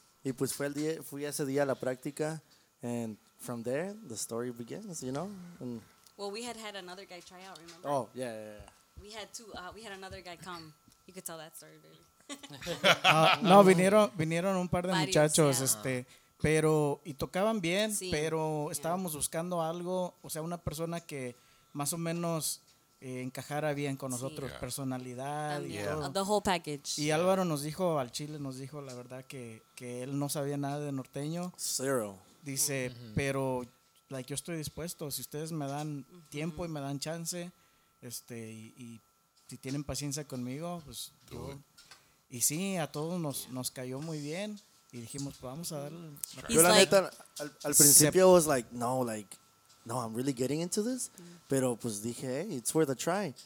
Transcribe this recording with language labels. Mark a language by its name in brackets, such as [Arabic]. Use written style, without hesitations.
[Spanish] Y pues fui ese día a la práctica. [English] And from there, the story begins, you know? And well, we had another guy try out, remember? Oh, yeah. We had two, we had another guy come. You could tell that story, baby. [Spanish] No, vinieron un par de varios, muchachos, yeah. Pero y tocaban bien, sí, pero yeah. Estábamos buscando algo, o sea, una persona que más o menos encajara bien con nosotros, yeah. Personalidad y yeah. [English] The whole package. [Spanish] Y Álvaro nos dijo al chile, nos dijo la verdad que él no sabía nada de norteño. [English] Zero. [Spanish] Dice, mm-hmm. Pero like yo estoy dispuesto, si ustedes me dan mm-hmm. tiempo y me dan chance, y si tienen paciencia conmigo, pues [English] do it. [Spanish] Y sí, a todos nos cayó muy bien y dijimos, pues vamos a darle. Yo la neta, al principio [English] was like, no, I'm really getting into this. [Spanish] Pero pues dije, [English] hey, it's worth a try.